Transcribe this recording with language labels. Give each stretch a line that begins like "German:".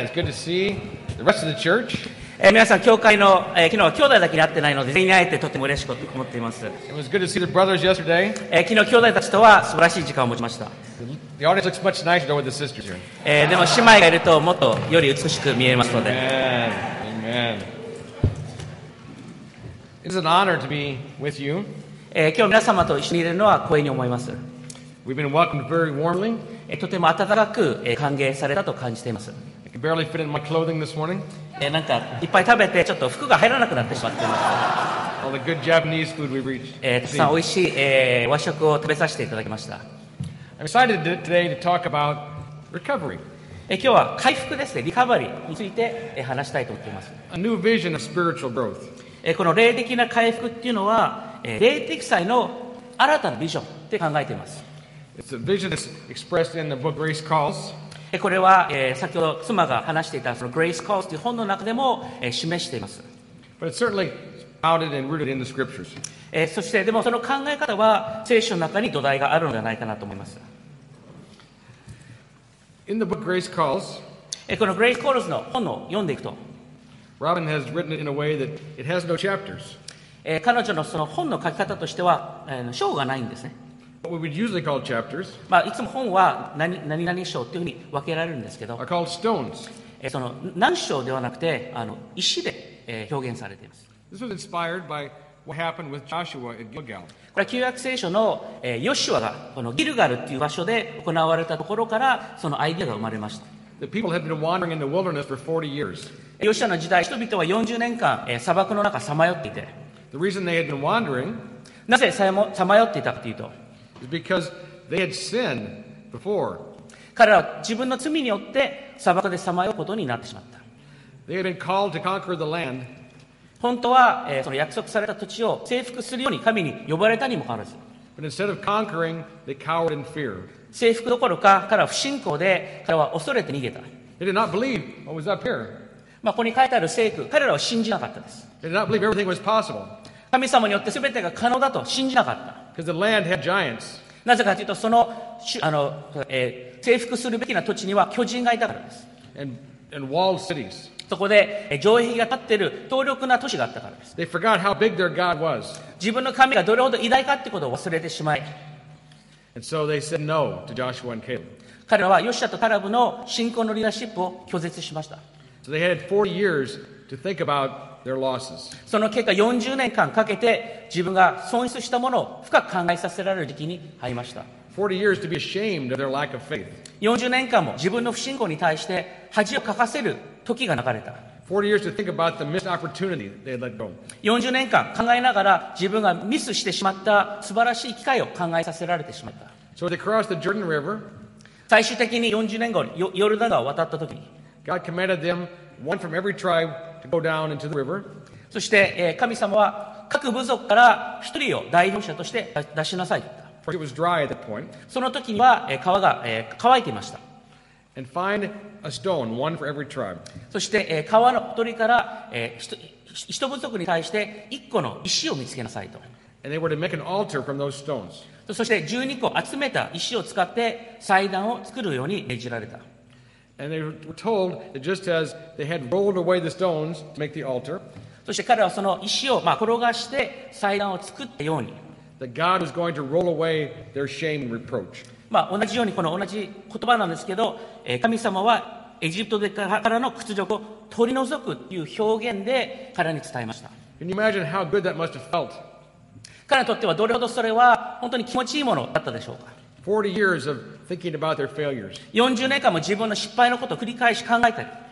English: It's good to see the rest of the church.
Japanese: 皆さん教会の、昨日は兄弟だけに会ってないので全員会えてとても嬉しく思っています。
English: It was good to see the brothers yesterday.
Japanese: 昨日兄弟たちとは素晴らしい時間を持ちました。
English: The audience looks much nicer with the sisters here.
Japanese: でも姉妹がいるともっとより美しく見えますので。
English: Amen. Amen. It is an honor to be with you.
Japanese: 今日皆様と一緒にいるのは光栄に思います。
English: We've been welcomed very warmly.
Japanese: とても温かく歓迎されたと感じています。
English: I can barely fit in my clothing this morning.
Japanese: なんかいっぱい食べてちょっと服が入らなくなってしまっています。
English: All the good Japanese food we reached.
Japanese: たくさん美味しい、和食を食べさせていただきました。
English: I'm excited today to talk about recovery.
Japanese: 今日は回復ですね、リカバリーについて話したいと思っています。
English: A new vision of spiritual growth.
Japanese: この霊的な回復っていうのは、霊的祭の新たなビジョンって考えています。
English: It's a vision that's expressed in the book Grace Calls.
Japanese: これは、先ほど妻が話していたその Grace Calls という本の中でも、示しています。
English: But it's certainly founded and rooted in the scriptures.
Japanese: そしてでもその考え方は聖書の中に土台があるのではないかなと思います。
English: In the book Grace Calls,
Japanese: この Grace Calls の本を読んでいくと
English: Robin has written it in a way that it has no chapters.
Japanese: 彼女のその本の書き方としては、章がないんですね。
English: What we would usually call chapters,
Japanese: まあ、いつも本は 何章というふうに分けられるんですけど、
English: are called stones.
Japanese: その何章ではなくて石で表現されています。
English: This was inspired by what happened with Joshua at Gilgal.
Japanese: これは旧約聖書のヨシュアがこのギルガルという場所で行われたところからそのアイデアが生まれました。
English: The people had been wandering in the wilderness for 40 years.
Japanese: ヨシュアの時代、人々は40年間砂漠の中さまよっていて、
English: The reason they had been wandering,
Japanese: なぜさまよっていたかというと、
English: is because they had sinned before.
Japanese: 彼らは自分の罪によって砂漠でさまようことになってしまった。
English: They had been called to conquer the land.
Japanese: 本当は、その約束された土地を征服するように神に呼ばれたにもかかわらず。
English: But instead of conquering, they cowered in fear.
Japanese: 征服どころか彼らは不信仰で彼らは恐れて逃げた。
English: They did not believe what was up here.
Japanese: まあここに書いてある征服、彼らは信じなかったです。
English: They did not believe everything was possible.
Japanese: 神様によって全てが可能だと信じなかった。
English: Because the land had giants.
Japanese: なぜかというとその征服するべきな土地には巨人がいたからです。
English: And walled cities.
Japanese: そこで城壁が立っている強力な都市があったからです。
English: They forgot how big their god was.
Japanese: 自分の神がどれほど偉大かってことを忘れてしまい。
English: And so they said no to Joshua and Caleb.
Japanese: 彼らはヨシュアとカレブの信仰のリーダーシップを拒絶しました。
English: So they had 40 years to think about. Their losses.
Japanese: その結果40年間かけて自分が損失したものを深く考えさせられる時期に入りました。
English: 40 years to be ashamed of their lack of faith.
Japanese: 40年間も自分の不信仰に対して恥をかかせる時が流れた。
English: 40 years to think about the missed opportunity they let go.
Japanese: 40年間考えながら自分がミスしてしまった素晴らしい機会を考えさせられてしまった。
English: So they crossed the Jordan River.
Japanese: 最終的に40年後にヨルダン川を渡った時に
English: God commanded them one from every tribeTo go down into the river.
Japanese: そして、神様は各部族から一人を代表者として出しなさいと言った。
English: For it was dry at that point.
Japanese: その時には、川が、乾いていました。
English: And find a stone, one for every tribe.
Japanese: そして、川のほとりから、一部族に対して一個の石を見つけなさいと。
English: And they were to make an altar from those stones.
Japanese: そして12個集めた石を使って祭壇を作るように命じられた。
English: And they were told that just as they had rolled away the stones to make the altar,
Japanese: そして彼はその石をまあ転がして祭壇を作ったように、
English: that God was going to roll away their shame and reproach.
Japanese: まあ同じようにこの同じ言葉なんですけど、神様はエジプトからの屈辱を取り除くという表現で彼に伝えました。
English: Can you imagine how good that must have felt?
Japanese: 彼にとってはどれほどそれは本当に気持ちいいものだったでしょうか。
English: 40 years of thinking about their failures.
Japanese: 40年間も自分の失敗のことを繰り返し考えたり。